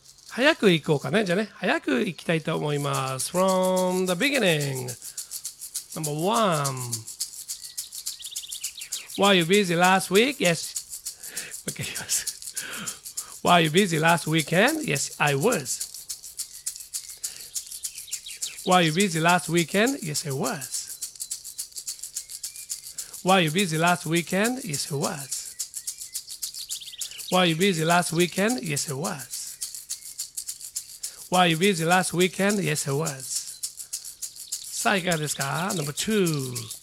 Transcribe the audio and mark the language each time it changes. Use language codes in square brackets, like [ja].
[ja] 早く行こうかね。じゃあね、早く行きたいと思います。 [en] From the beginning. Number one, were you busy last week? Yes. Okay, yes. Were you busy last weekend? Yes, I was. Were you busy last weekend? Yes, I was. Were you busy last weekend? Yes, I was. Were you busy last weekend? Yes, I was. Were you busy last weekend? Yes, I was. [ja] さあ、いかがですか ? [en] Number two.